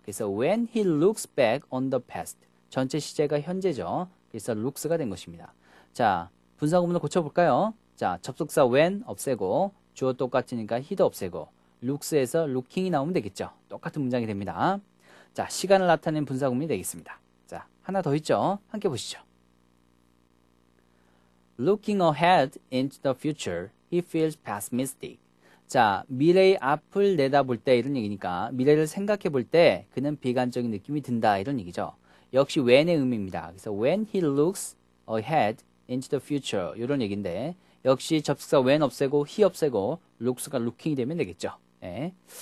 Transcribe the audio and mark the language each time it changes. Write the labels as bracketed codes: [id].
[en] 그래서 when he looks back on the past. [ko] 전체 시제가 현재죠. 그래서 looks가 된 것입니다. 자, 분사구문을 고쳐볼까요? 자, 접속사 when 없애고, 주어 똑같으니까 he도 없애고, looks에서 looking이 나오면 되겠죠. 똑같은 문장이 됩니다. 자, 시간을 나타낸 분사구문이 되겠습니다. 자, 하나 더 있죠? 함께 보시죠. [en] Looking ahead into the future, he feels pessimistic. [ko] 자, 미래의 앞을 내다볼 때 이런 얘기니까 미래를 생각해 볼 때 그는 비관적인 느낌이 든다 이런 얘기죠. 역시 when의 의미입니다. 그래서 [en] when he looks ahead into the future [ko] 이런 얘기인데 역시 접속사 when 없애고 he 없애고 looks가 looking이 되면 되겠죠. 예.